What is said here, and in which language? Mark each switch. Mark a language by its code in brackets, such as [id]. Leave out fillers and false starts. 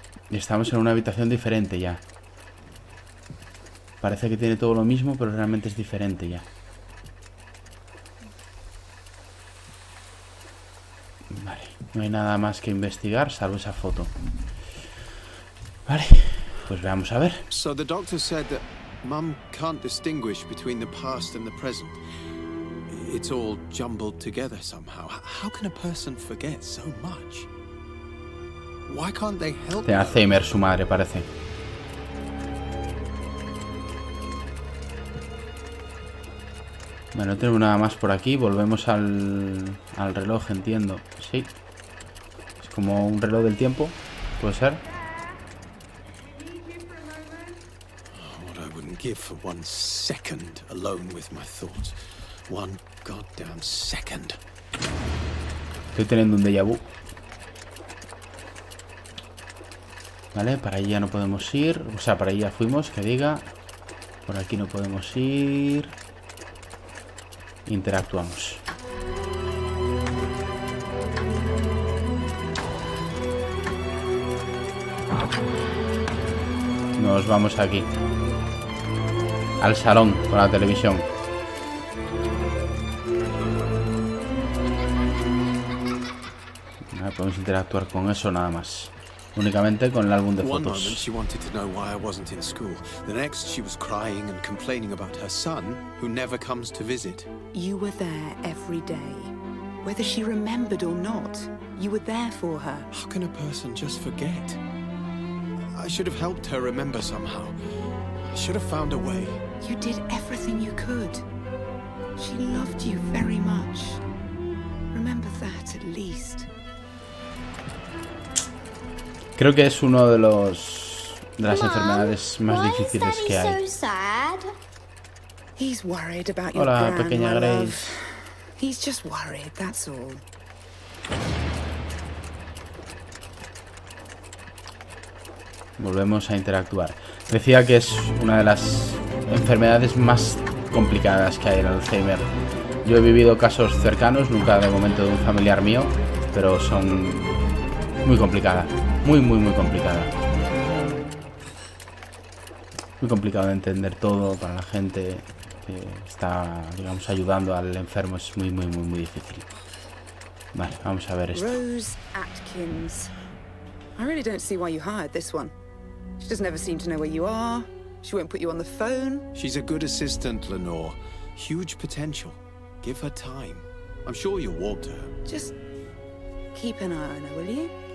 [es] Y estamos en una habitación diferente ya. Parece que tiene todo lo mismo, pero realmente es diferente ya. Vale, no hay nada más que investigar, salvo esa foto. Vale, pues veamos a ver. [en] So the doctor said that Mum can't distinguish between the past and the present. It's all jumbled together somehow. How can a person forget so much? Why can't they help? [es] Tiene Alzheimer su madre, parece. Bueno, no tenemos nada más por aquí. Volvemos al reloj, entiendo. Sí. Es como un reloj del tiempo, puede ser. [en] Give for one second alone with my thoughts. One goddamn second. [es] Estoy teniendo un déjà vu. Vale, para allí ya no podemos ir. O sea, para allí ya fuimos, que diga. Por aquí no podemos ir. Interactuamos. Nos vamos aquí. Al salón con la televisión. No podemos interactuar con eso nada más. Únicamente con el álbum de fotos. [en] One moment she wanted to know why I wasn't in school. The next she was crying and complaining about her son, who never comes to visit. You were there every day. Whether she remembered or not, you were there for her. How can a person just forget? I should have helped her remember somehow. I should have found a way. You did everything you could. She loved you very much. Remember that at least. [es] Creo que es uno de los de las enfermedades más difíciles que hay. [en] He's worried about your grandma. [es] Hola, pequeña Grace. [en] He's just worried, that's all. [es] Volvemos a interactuar. Decía que es una de las enfermedades más complicadas que hay, el Alzheimer. Yo he vivido casos cercanos, nunca de momento de un familiar mío, pero son muy complicada, muy complicada. Muy complicado de entender todo para la gente que está, digamos, ayudando al enfermo, es muy difícil. Vale, vamos a ver esto. Rose Atkins. [en] I really don't see why you hired this one. She doesn't ever seem to know where you are. She won't put you on the phone. She's a good assistant, Lenore. huge potential. Give her time. I'm sure you'll warp to her. Just keep an eye on her, will you?